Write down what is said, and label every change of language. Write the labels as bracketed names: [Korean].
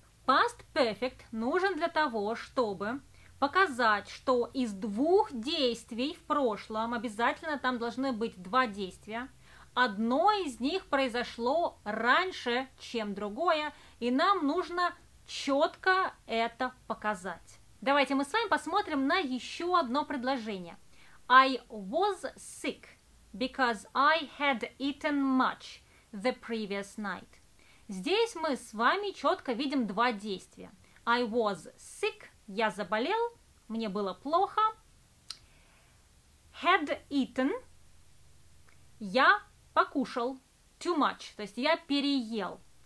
[Russian] Past perfect нужен для того, чтобы показать, что из двух действий в прошлом, обязательно там должны быть два действия, одно из них произошло раньше, чем другое, и нам нужно четко это показать. Давайте мы с вами посмотрим на еще одно предложение. [English] I was sick because I had eaten much the previous night. [Russian] Здесь мы с вами четко видим два действия. [English] I was sick, [Russian] я заболел, мне было плохо. Had eaten, я покушал, too much, то есть я переел.